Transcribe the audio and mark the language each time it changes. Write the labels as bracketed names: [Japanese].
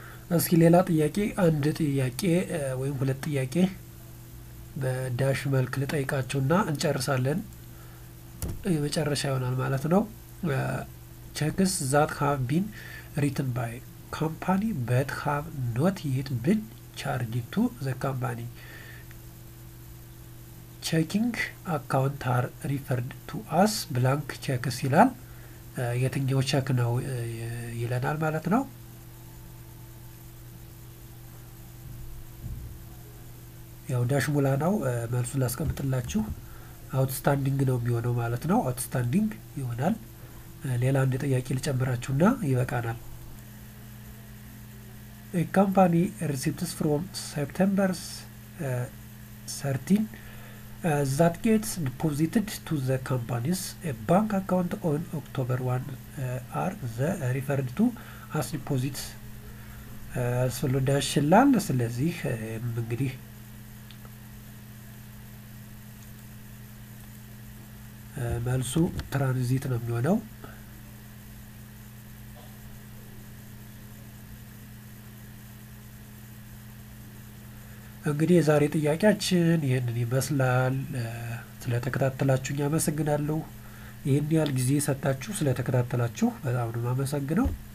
[Amharic] እስኪ ሌላ ጥያቄ አንድ ጥያቄ ወይም ሁለት ጥያቄ በዳሽ መልክ ልጠይቃችሁና እንጨርሳለን። የመጨረሻ ይሆናል ማለት ነው። [English] checks that have been written by company but have not yet been charged to the company. checking account are referred to as blank checks [Amharic] ይላል። የትኛው check ነው ይለናል ማለት ነው። ያው ዳሽ ሙላ ነው መልሱ ላስቀምጥላችሁ። outstanding ነው የሚሆነው ማለት ነው። outstanding ይሆናል። ሌላ አንድ ጥያቄ ልጨምራችሁና ይበቃናል። [English] a company receipts from September 13 that gets deposited to the company's bank account on October 1 are the referred to as deposits. [Amharic] ስለ ዳሽ ላል ስለዚህ እንግዲህ መልሱ ትራንዚት ነው የሚሆነው። እንግዲህ የዛሬ ጥያቄያችን ይህንን ይመስላል። ስለተከታተላችሁኝ አመሰግናለሁ። ይህን ያህል ጊዜ ሰጣችሁ ስለተከታተላችሁ በጣም ነው የማመሰግነው።